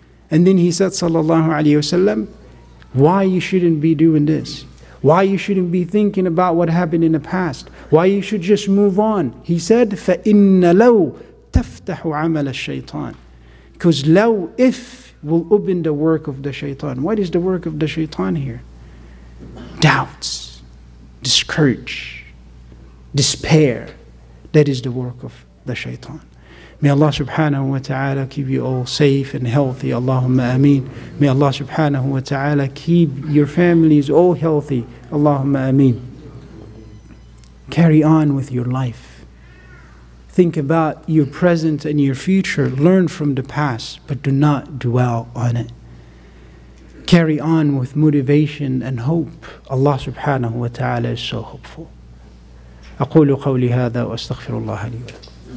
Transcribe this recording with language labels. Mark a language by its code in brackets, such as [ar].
[en] And then he said sallallahu alayhi wa sallam, why you shouldn't be doing this? Why you shouldn't be thinking about what happened in the past? Why you should just move on? He said, [ar] فَإِنَّ لَوْ تَفْتَحُ عَمَلَ الشَّيْطَانِ. [en] Because لَوْ, if, will open the work of the shaitan. What is the work of the shaitan here? Doubts, discourage, despair. That is the work of the shaitan. May Allah subhanahu wa ta'ala keep you all safe and healthy. Allahumma ameen. May Allah subhanahu wa ta'ala keep your families all healthy. Allahumma ameen. Carry on with your life. Think about your present and your future. Learn from the past, but do not dwell on it. Carry on with motivation and hope. Allah subhanahu wa ta'ala is so hopeful. [ar] أقول قولي هذا وأستغفر الله لي ولكم.